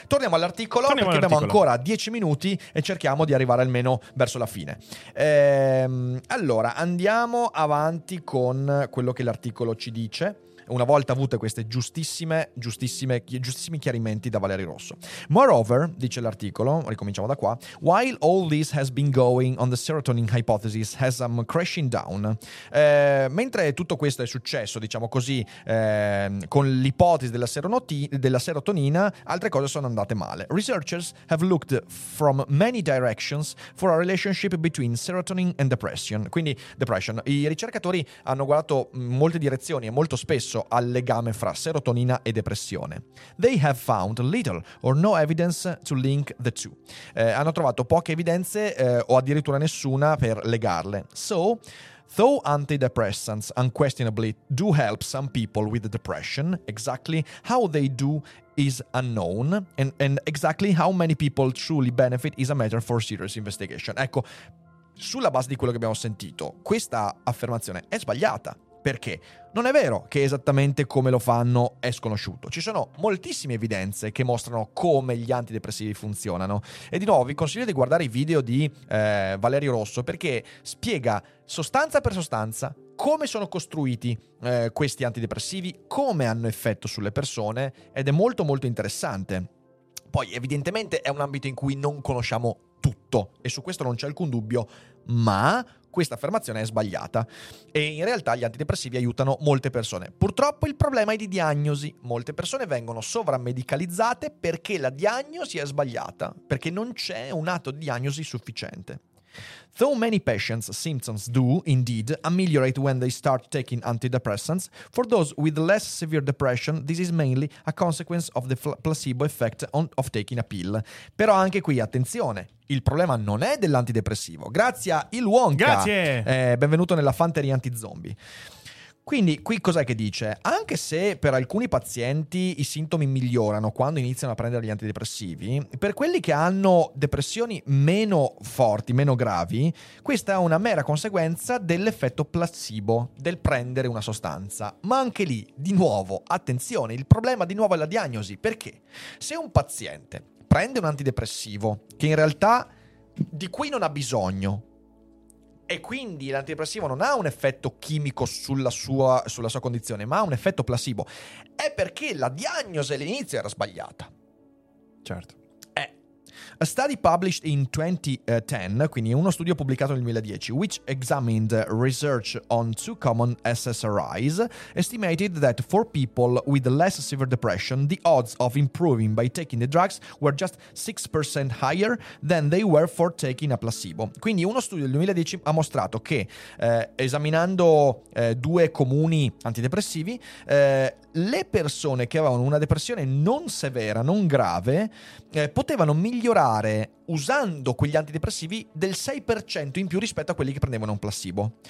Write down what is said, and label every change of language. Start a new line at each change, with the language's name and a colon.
Italian: Torniamo all'articolo, torniamo perché all'articolo. Abbiamo ancora 10 minuti e cerchiamo di arrivare almeno verso la fine. Allora andiamo avanti con quello che l'articolo ci dice. una volta avute queste giustissimi chiarimenti da Valerio Rosso.
English: Moreover,
Italian: dice l'articolo, ricominciamo da qua,
English: while all this has been going on, the serotonin hypothesis has some crashing down.
Italian: Mentre tutto questo è successo, diciamo così, con l'ipotesi della serotonina, altre cose sono andate male.
English: Researchers have looked from many directions for a relationship between serotonin and depression.
Italian: Quindi, depression. I ricercatori hanno guardato molte direzioni e molto spesso al legame fra serotonina e depressione.
English: They have found little or no evidence to link the two.
Italian: Hanno trovato poche evidenze o addirittura nessuna per legarle.
English: So, though antidepressants unquestionably do help some people with depression, exactly how they do is unknown, and exactly how many people truly benefit is a matter for serious investigation.
Italian: Ecco, sulla base di quello che abbiamo sentito, questa affermazione è sbagliata. Perché non è vero che esattamente come lo fanno è sconosciuto. Ci sono moltissime evidenze che mostrano come gli antidepressivi funzionano. E di nuovo vi consiglio di guardare i video di Valerio Rosso, perché spiega sostanza per sostanza come sono costruiti questi antidepressivi, come hanno effetto sulle persone, ed è molto molto interessante. Poi evidentemente è un ambito in cui non conosciamo tutto, e su questo non c'è alcun dubbio, ma questa affermazione è sbagliata e in realtà gli antidepressivi aiutano molte persone. Purtroppo il problema è di diagnosi. Molte persone vengono sovramedicalizzate perché la diagnosi è sbagliata, perché non c'è un atto di diagnosi sufficiente.
English: Though many patients' symptoms do, indeed, ameliorate when they start taking antidepressants, for those with less severe depression, this is mainly a consequence of the placebo effect of taking a pill.
Italian: Però anche qui, attenzione, il problema non è dell'antidepressivo. Grazie a Il Wonka! Grazie! Benvenuto nella fanteria antizombie. Quindi qui cos'è che dice? Anche se per alcuni pazienti i sintomi migliorano quando iniziano a prendere gli antidepressivi, per quelli che hanno depressioni meno forti, meno gravi, questa è una mera conseguenza dell'effetto placebo, del prendere una sostanza. Ma anche lì, di nuovo, attenzione, il problema di nuovo è la diagnosi. Perché? Se un paziente prende un antidepressivo che in realtà di cui non ha bisogno, e quindi l'antidepressivo non ha un effetto chimico sulla sua condizione, ma ha un effetto placebo, è perché la diagnosi all'inizio era sbagliata. Certo.
English: A study published in 2010,
Italian: quindi uno studio pubblicato nel 2010,
English: which examined research on two common SSRIs, estimated that for people with less severe depression, the odds of improving by taking the drugs were just 6% higher than they were for taking a placebo.
Italian: Quindi uno studio del 2010 ha mostrato che, esaminando due comuni antidepressivi, le persone che avevano una depressione non severa, non grave, potevano migliorare usando quegli antidepressivi del 6% in più rispetto a quelli che prendevano un placebo.